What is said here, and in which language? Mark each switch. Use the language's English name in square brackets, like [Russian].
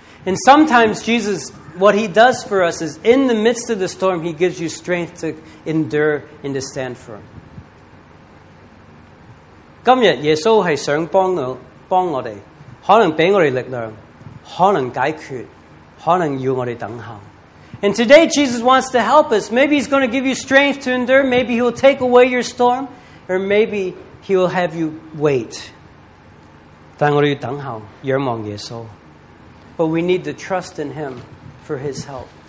[English] And sometimes Jesus, what he does for us is in the midst of the storm, he gives you strength to endure and to stand firm. [Chinese] 今日耶稣是想帮我们，可能给我们力量，可能解决，可能要我们等候。 [English] And today Jesus wants to help us. Maybe he's going to give you strength to endure. Maybe he'll take away your storm. Or maybe he'll have you wait. [Chinese] 但我们要等候，仰望耶稣。 [English] But we need to trust in Him for His help.